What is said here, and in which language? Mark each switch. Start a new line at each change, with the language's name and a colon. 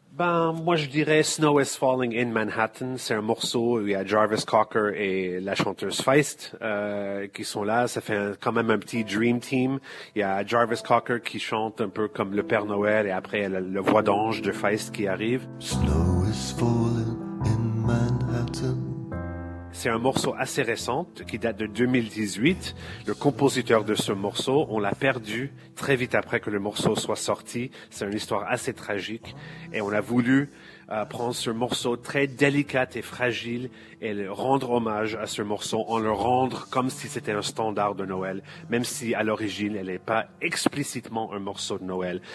French: Ben, moi je dirais Snow is Falling in Manhattan. C'est un morceau où il y a Jarvis Cocker et la chanteuse Feist qui sont là. Ça fait quand même un petit dream team. Il y a Jarvis Cocker qui chante un peu comme le Père Noël et après il y a la voix d'ange de Feist qui arrive.
English: Snow is falling in Manhattan.
French: C'est un morceau assez récent qui date de 2018. Le compositeur de ce morceau, on l'a perdu très vite après que le morceau soit sorti. C'est une histoire assez tragique et on a voulu prendre ce morceau très délicat et fragile et rendre hommage à ce morceau en le rendre comme si c'était un standard de Noël, même si à l'origine, elle n'est pas explicitement un morceau de Noël.